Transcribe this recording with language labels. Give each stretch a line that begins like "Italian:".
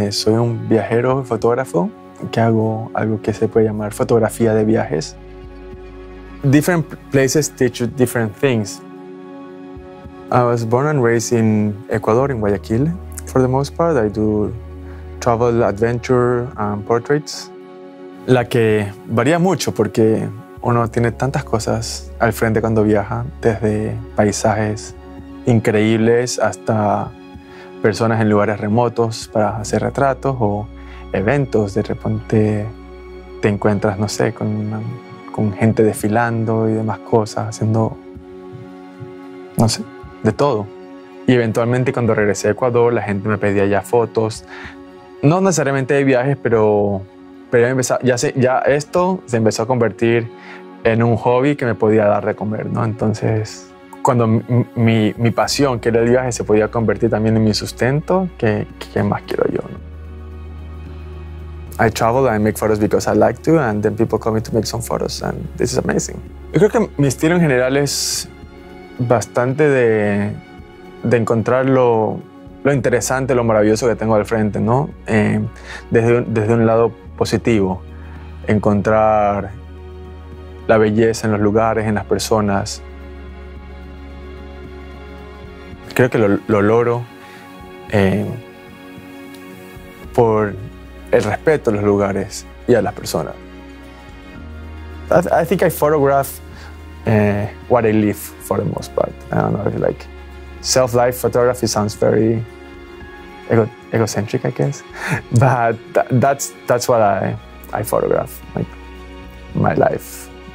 Spanish: Soy un viajero y fotógrafo que hago algo que se puede llamar fotografía de viajes.
English: Different places teach you different things. I was born and raised in Ecuador, in Guayaquil. For the most part, I do travel, adventure, and portraits.
Spanish: La que varía mucho porque uno tiene tantas cosas al frente cuando viaja, desde paisajes increíbles hasta personas en lugares remotos para hacer retratos o eventos. De repente te encuentras, no sé, con gente desfilando y demás cosas, haciendo, no sé, de todo. Y eventualmente cuando regresé a Ecuador, la gente me pedía ya fotos, no necesariamente de viajes, pero ya esto se empezó a convertir en un hobby que me podía dar de comer, ¿no? Entonces, cuando mi pasión, que era el viaje, se podía convertir también en mi sustento, ¿qué más quiero yo, ¿no?
English: I travel and I make photos because I like to, and then people call me to make some photos, and this is amazing.
Spanish: Yo creo que mi estilo en general es bastante de encontrar lo interesante, lo maravilloso que tengo al frente, ¿no? Desde un lado positivo, encontrar la belleza en los lugares, en las personas. Creo que lo logro por el respeto a los lugares y a las personas.
English: I think I photograph what I live for the most part. I don't know if like self-life photography sounds very egocentric, I guess, but that's what I photograph, like my life.